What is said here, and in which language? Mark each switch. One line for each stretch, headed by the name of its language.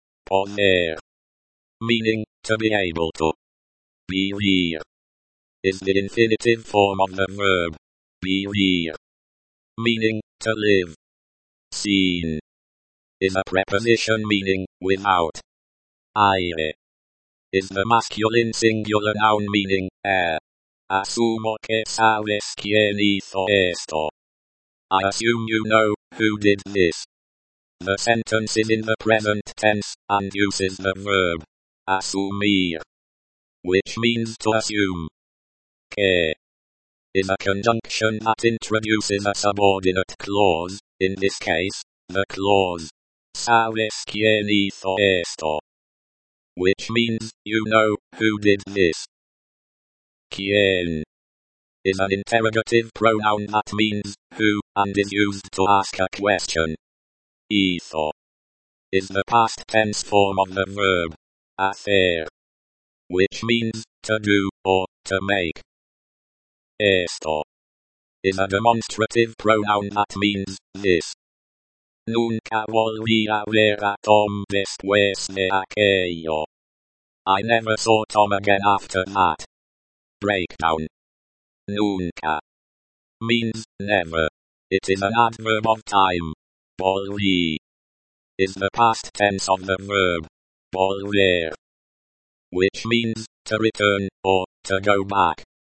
English: Poder, meaning, to be able to. Vivir, is the infinitive form of the verb. Vivir, meaning, to live. Seen. Is a preposition meaning, without. Aire. Is the masculine singular noun meaning, air.
Spanish: Asumo que sabes quién hizo esto.
English: I assume you know, who did this. The sentence is in the present tense, and uses the verb. Asumir. Which means to assume. Que. Is a conjunction that introduces a subordinate clause, in this case, the clause.
Spanish: Sabes quién hizo esto?
English: Which means, you know, who did this. Quién? is an interrogative pronoun that means who and is used to ask a question. Ether is the past tense form of the verb affair, which means to do or to make. Esto is a demonstrative pronoun that means this.
Spanish: Nunca volví a ver a Tom después de aquello.
English: I never saw Tom again after that. Breakdown. Nunca means never. It is an adverb of time. Volví is the past tense of the verb volver, which means to return or to go back.